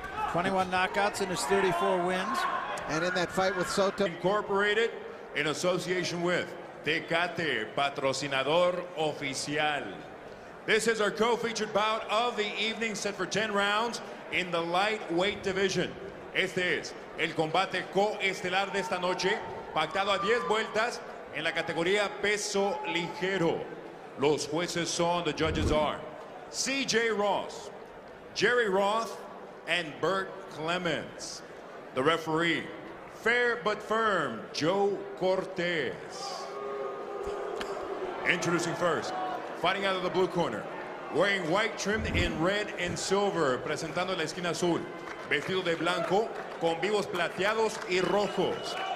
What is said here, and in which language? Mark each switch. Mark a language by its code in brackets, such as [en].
[en] 21 knockouts in his 34 wins. And in that fight with Soto. Incorporated in association with Tecate, [es] patrocinador oficial. [en] This is our co-featured bout of the evening, set for 10 rounds in the lightweight division. [es] Este es el combate co-estelar de esta noche, pactado a 10 vueltas en la categoría peso ligero. Los jueces son, [en] the judges are, C.J. Ross, Jerry Roth, and Bert Clements. The referee, fair but firm, Joe Cortez. Introducing first, fighting out of the blue corner, wearing white trimmed in red and silver, [es] presentando la esquina azul, vestido de blanco, con vivos plateados y rojos.